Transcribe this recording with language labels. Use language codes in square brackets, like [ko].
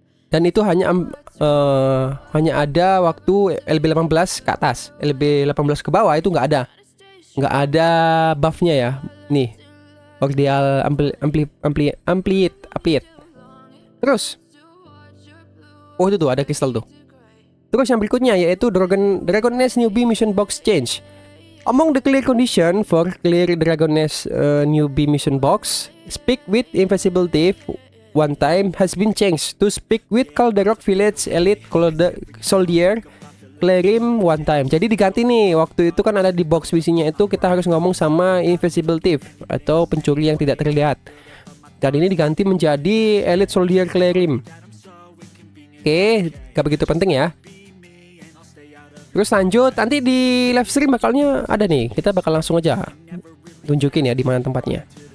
[id] Dan itu hanya hanya ada waktu LB 18 ke atas. LB 18 ke bawah itu gak ada. Gak ada buff-nya ya. Nih. Ordeal Ampliate. Terus oh itu tuh ada kristal tuh. Terus yang berikutnya yaitu Dragon Nest Newbie Mission Box Change. [en] Among the clear condition for clear Dragon Nest Newbie Mission Box, speak with Invisible Thief one time has been changed to speak with Calderock Village Elite Soldier Clarim one time. [id] Jadi diganti nih, waktu itu kan ada di box misinya itu kita harus ngomong sama Invisible Thief atau pencuri yang tidak terlihat. Dan ini diganti menjadi Elite Soldier Clarim. Oke, gak begitu penting ya. Terus lanjut, nanti di live stream bakalnya ada nih. Kita bakal langsung aja tunjukin ya di mana tempatnya.